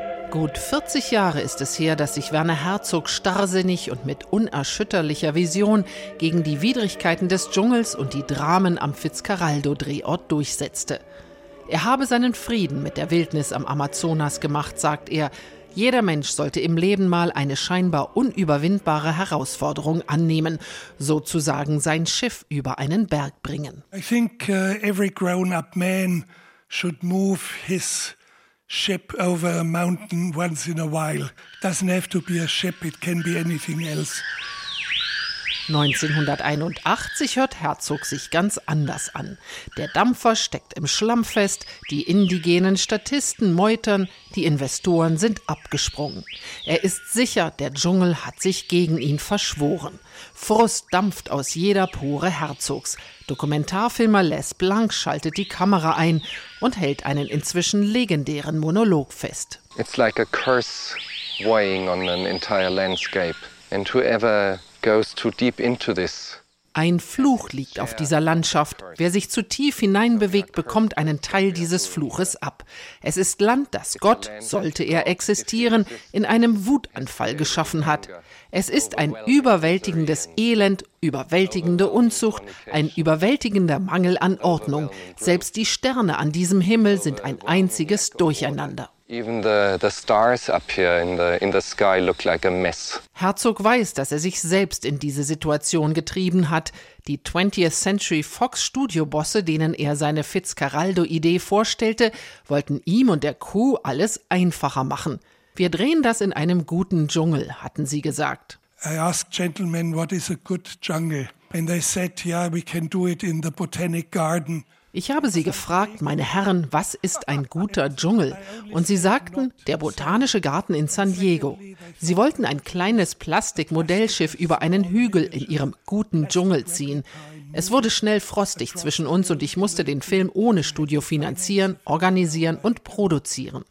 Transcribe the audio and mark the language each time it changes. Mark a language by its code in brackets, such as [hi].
[de] Gut 40 Jahre ist es her, dass sich Werner Herzog starrsinnig und mit unerschütterlicher Vision gegen die Widrigkeiten des Dschungels und die Dramen am Fitzcarraldo-Drehort durchsetzte. Er habe seinen Frieden mit der Wildnis am Amazonas gemacht, sagt er. Jeder Mensch sollte im Leben mal eine scheinbar unüberwindbare Herausforderung annehmen, sozusagen sein Schiff über einen Berg bringen. [en] I think every grown-up man should move his ship over a mountain once in a while. Doesn't have to be a ship, it can be anything else. [de] 1981 hört Herzog sich ganz anders an. Der Dampfer steckt im Schlamm fest, die indigenen Statisten meutern, die Investoren sind abgesprungen. Er ist sicher, der Dschungel hat sich gegen ihn verschworen. Frust dampft aus jeder Pore Herzogs. Dokumentarfilmer Les Blanc schaltet die Kamera ein und hält einen inzwischen legendären Monolog fest. [en] It's like a curse weighing on an entire landscape. And whoever goes too deep into this. [de] Ein Fluch liegt auf dieser Landschaft. Wer sich zu tief hineinbewegt, bekommt einen Teil dieses Fluches ab. Es ist Land, das Gott, sollte er existieren, in einem Wutanfall geschaffen hat. Es ist ein überwältigendes Elend, überwältigende Unzucht, ein überwältigender Mangel an Ordnung. Selbst die Sterne an diesem Himmel sind ein einziges Durcheinander. [en] Even the stars up here in the sky look like a mess. [de] Herzog weiß, dass er sich selbst in diese Situation getrieben hat. Die 20th Century Fox Studio-Bosse, denen er seine Fitzcarraldo-Idee vorstellte, wollten ihm und der Crew alles einfacher machen. Wir drehen das in einem guten Dschungel, hatten sie gesagt. [en] I asked gentlemen, what is a good jungle? And they said, yeah, we can do it in the Botanic Garden. [de] Ich habe sie gefragt, meine Herren, was ist ein guter Dschungel? Und sie sagten, der Botanische Garten in San Diego. Sie wollten ein kleines Plastikmodellschiff über einen Hügel in ihrem guten Dschungel ziehen. Es wurde schnell frostig zwischen uns und ich musste den Film ohne Studio finanzieren, organisieren und produzieren.